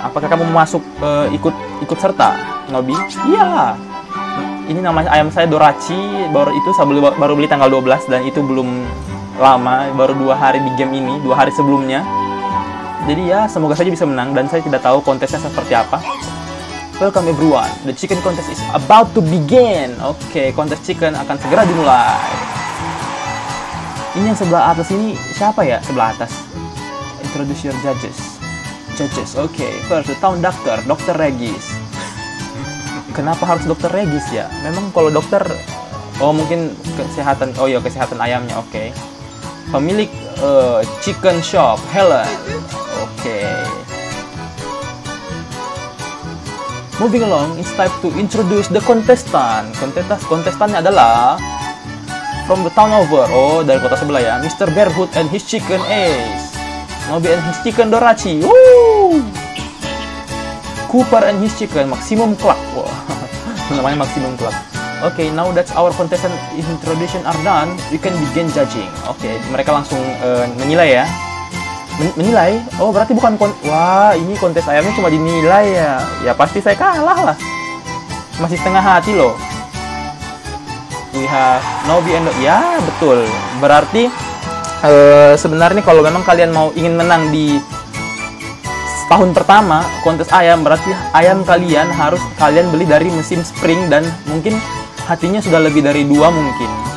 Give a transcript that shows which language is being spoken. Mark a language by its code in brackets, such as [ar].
[id] Apakah kamu masuk ikut serta, Nobi? Iya. Yeah. Ini nama ayam saya Dorachi, baru beli tanggal 12 dan itu belum lama, baru 2 hari di game ini, 2 hari sebelumnya. Jadi ya, semoga saja bisa menang dan saya tidak tahu kontesnya seperti apa. [en] Welcome everyone, the chicken contest is about to begin. [id] Oke, kontes chicken akan segera dimulai. Ini yang sebelah atas ini, siapa ya sebelah atas? [en] Introduce your judges. Judges, oke. First, the town doctor, Dr. [id] Regis. Kenapa harus dokter Regis ya? Memang kalau dokter, mungkin kesehatan. Oh iya, kesehatan ayamnya. Oke. Okay. Pemilik chicken shop, Helen. Oke. Okay. [en] Moving along, it's time to introduce the contestant. [id] Kontestannya adalah [en] from the town over. [id] Oh, dari kota sebelah ya. Mr. [en] Bearhood and his chicken Ace. Nobby and his chicken Dorachi. Cooper and his chicken Maximum Clock. Wow. [id] Namanya Maximum Club. [en] Oke, okay, now that our contestant introduction are done, we can begin judging. [id] Oke, okay, mereka langsung menilai ya. Menilai? Oh, berarti bukan wah, ini kontes ayamnya cuma dinilai ya. Ya pasti saya kalah lah. Masih setengah hati loh. [en] we have Nobi and Nobi. [id] Ya, betul. Berarti sebenarnya kalau memang kalian mau ingin menang di tahun pertama kontes ayam, berarti ayam kalian harus kalian beli dari musim spring dan mungkin hatinya sudah lebih dari 2 mungkin.